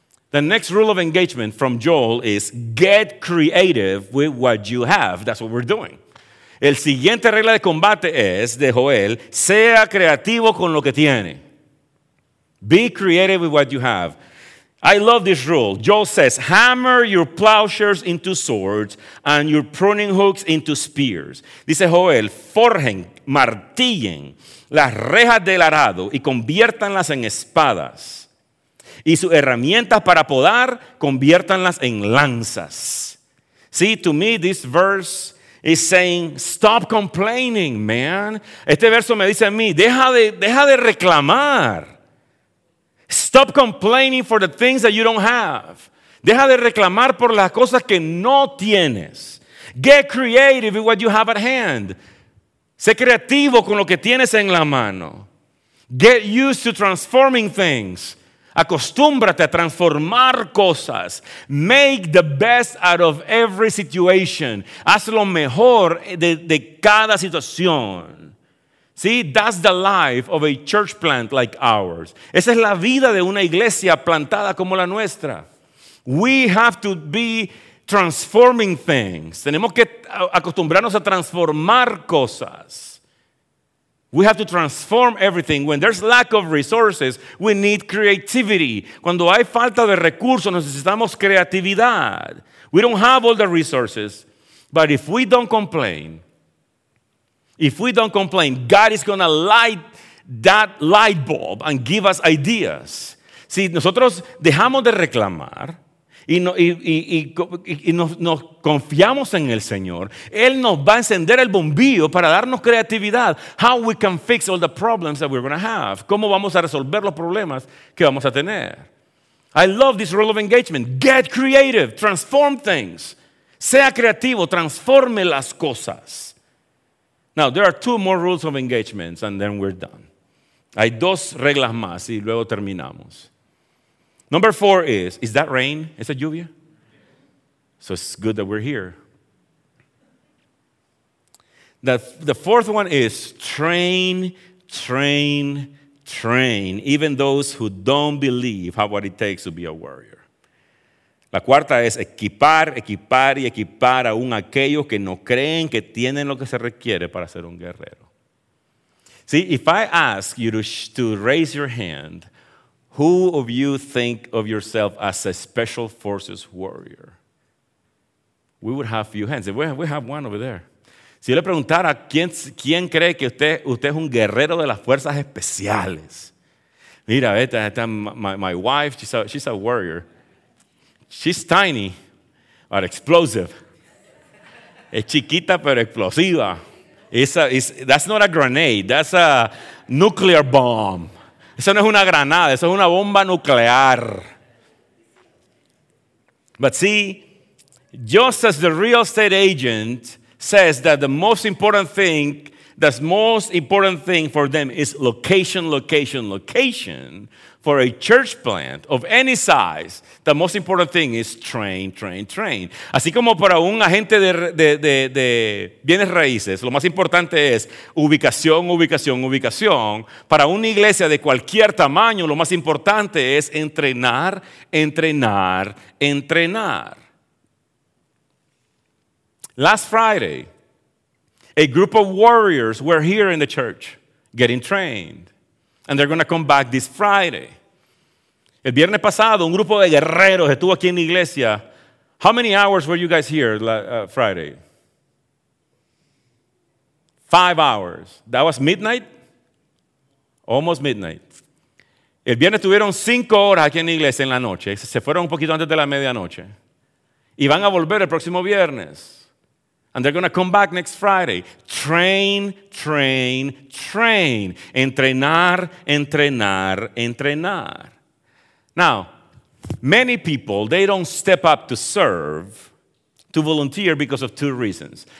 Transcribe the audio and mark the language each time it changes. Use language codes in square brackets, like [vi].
[en] The next rule of engagement from Joel is get creative with what you have. That's what we're doing. [es] El siguiente regla de combate es, de Joel, sea creativo con lo que tiene. [en] Be creative with what you have. I love this rule. Joel says, hammer your plowshares into swords and your pruning hooks into spears. [es] Dice Joel, forjen, martillen las rejas del arado y conviértanlas en espadas. Y sus herramientas para podar, conviértanlas en lanzas. [en] See, to me, this verse is saying, stop complaining, man. [es] Este verso me dice a mí, deja de reclamar. [en] Stop complaining for the things that you don't have. [es] Deja de reclamar por las cosas que no tienes. [en] Get creative with what you have at hand. [es] Sé creativo con lo que tienes en la mano. [en] Get used to transforming things. [es] Acostúmbrate a transformar cosas. [en] Make the best out of every situation. [es] Haz lo mejor de cada situación. [en] See, that's the life of a church plant like ours. [es] Esa es la vida de una iglesia plantada como la nuestra. [en] We have to be transforming things. Tenemos que acostumbrarnos a transformar cosas. We have to transform everything. When there's lack of resources, we need creativity. [es] Cuando hay falta de recursos, necesitamos creatividad. [en] We don't have all the resources. But if we don't complain, God is going to light that light bulb and give us ideas. [es] Si nosotros dejamos de reclamar y nos confiamos en el Señor, Él nos va a encender el bombillo para darnos creatividad. [en] How we can fix all the problems that we're going to have. [es] ¿Cómo vamos a resolver los problemas que vamos a tener? [en] I love this rule of engagement. Get creative. Transform things. [es] Sea creativo. Transforme las cosas. [en] Now, there are two more rules of engagements and then we're done. [es] Hay dos reglas más y luego terminamos. [en] Number four is that rain? Is that lluvia? So it's good that we're here. The fourth one is train, even those who don't believe have what it takes to be a warrior. [es] La cuarta es equipar aún aquellos que no creen que tienen lo que se requiere para ser un guerrero. [en] See, if I ask you to raise your hand, who of you think of yourself as a special forces warrior? We would have a few hands. We have one over there. [es] Si yo le preguntara quién cree que usted es un guerrero de las fuerzas especiales. [en] Mira, my wife, she's a warrior. She's tiny, but explosive. [es] Es chiquita, pero explosiva. [en] That's not a grenade. That's a nuclear bomb. [es] Eso no es una granada, eso es una bomba nuclear. [en] But see, just as the real estate agent says that the most important thing the most important thing for them is location, location, location. For a church plant of any size, the most important thing is train, train, train. [es] Así como para un agente de bienes raíces, lo más importante es ubicación, ubicación, ubicación. Para una iglesia de cualquier tamaño, lo más importante es entrenar, entrenar, entrenar. [en] Last Friday, a group of warriors were here in the church getting trained. And they're going to come back this Friday. [es] El viernes pasado, un grupo de guerreros estuvo aquí en la iglesia. [en] How many hours were you guys here Friday? 5 hours. That was midnight? Almost midnight. [es] El viernes tuvieron 5 horas aquí en la iglesia en la noche. Se fueron un poquito antes de la medianoche. Y van a volver el próximo viernes. [en] And they're going to come back next Friday. Train, train, train. [es] Entrenar, entrenar, entrenar. [en] Now, many people, they don't step up to serve, to volunteer because of 2 reasons.